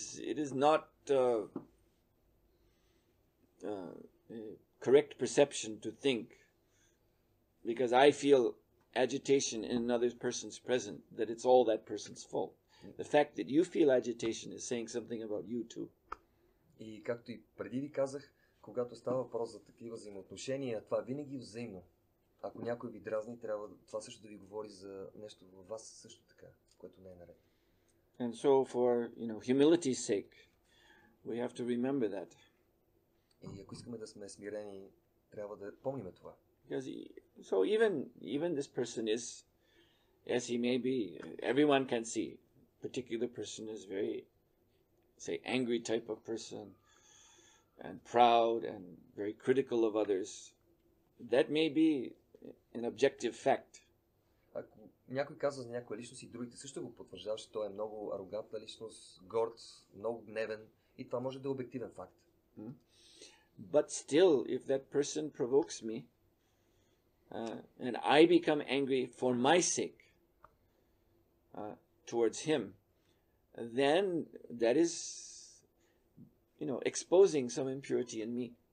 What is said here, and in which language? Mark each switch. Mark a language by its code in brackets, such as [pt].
[en] It is not a correct perception to think, because I feel agitation in another person's presence, that it's all that person's fault. The fact that you feel agitation is saying something about you too. [bg] И както и преди ви казах, когато става въпрос за такива взаимоотношения, това винаги е взаимно. Ако някой ви дразни, трябва това също да ви говори за нещо във вас също така, което не е наред. [en] And so for, you know, humility's sake, we have to remember that. [bg] И ако искаме да сме смирени, трябва да помним това. [en] So even this person is, as he may be, everyone can see, particular person is very, say, angry type of person, and proud, and very critical of others. That may be an objective fact. [bg] Ако някой казва за някоя личност и другите също го потвърждава, че той е много арогантна личност, горд, много гневен, и това може да е обективен факт. Mm-hmm. [en] But still, if that person provokes me, and I become angry for my sake towards him, then that is, you know, exposing some impurity in me.